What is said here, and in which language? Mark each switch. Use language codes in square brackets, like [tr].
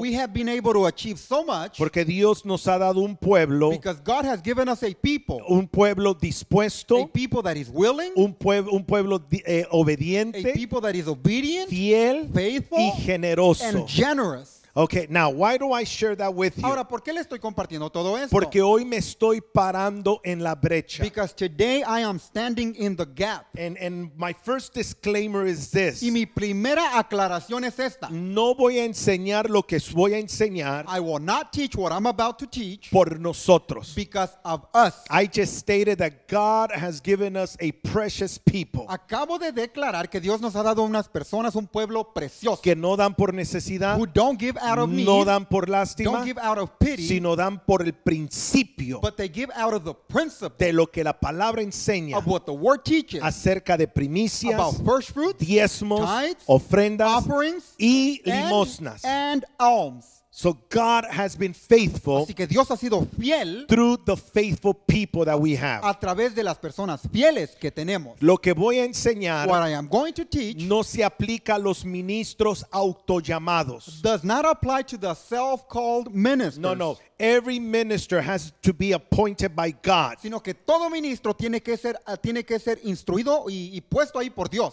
[en] We have been able to achieve so much. [es] Porque Dios nos ha dado un pueblo. [en] Because God has given us a people. [es] Un pueblo dispuesto. [en] A people that is willing. [es] Un pueblo obediente. [en] A people that is obedient. [es] Fiel. [en] Faithful. [es] Y generoso. [en] And generous. Okay, now why do I share that with you? [es] Ahora, ¿por qué le estoy compartiendo todo esto? Porque hoy me estoy parando en la brecha. [en] Because today I am standing in the gap. And my first disclaimer is this. [es] Y mi primera aclaración es esta. No voy a enseñar lo que voy a enseñar. [en] I will not teach what I'm about to teach. [es] Por nosotros. [en] Because of us. I just stated that God has given us a precious people. [es] Acabo de declarar que Dios nos ha dado unas personas, un pueblo precioso. Que no dan por necesidad. [en] Who don't give out of need, [es] no dan por lástima, [en] don't give out of pity, [es] sino dan por el principio, [en] but they give out of the principle, [es] de lo que la palabra enseña, [en] of what the word teaches, [es] acerca de primicias, [en] about first fruits, [es] diezmos, [en] tithes, [es] ofrendas, [en] offerings, [es] y limosnas, [en] and alms. So God has been faithful. [es] Así que Dios ha sido fiel. [en] Through the faithful people that we have. [es] A través de las personas fieles que tenemos. Lo que voy a enseñar. [en] What I am going to teach. [es] No se aplica a los ministros autollamados. [en] Does not apply to the self-called ministers. No, no. Every minister has to be appointed by God. [es] Sino que todo ministro tiene que ser instruido y puesto ahí por Dios.